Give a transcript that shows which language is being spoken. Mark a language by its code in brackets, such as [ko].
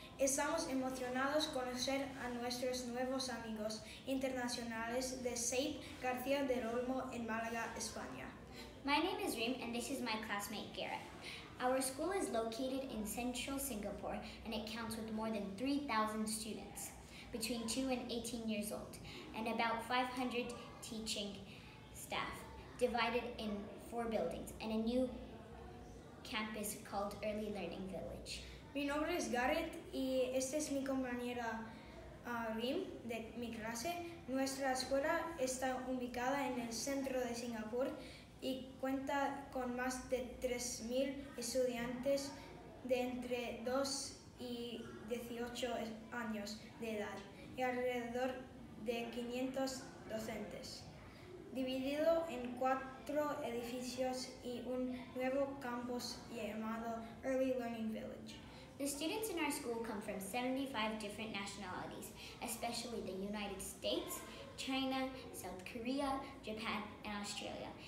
[es] Estamos emocionados de conocer a nuestros nuevos amigos internacionales de Saip García del Olmo en Málaga, España. [en] My name is Reem and this is my classmate Garrett. Our school is located in central Singapore and it counts with more than 3,000 students between 2 and 18 years old and about 500 teaching staff divided in 4 buildings and a new campus called Early Learning Village. [es] Mi nombre es Garrett y esta es mi compañera Reem de mi clase. Nuestra escuela está ubicada en el centro de Singapur y cuenta con más de 3,000 estudiantes de entre 2 y 18 años de edad y alrededor de 500 docentes, dividido en 4 edificios y un nuevo campus llamado Early Learning Village. [en] The students in our school come from 75 different nationalities, especially the United States, China, South Korea, Japan, and Australia.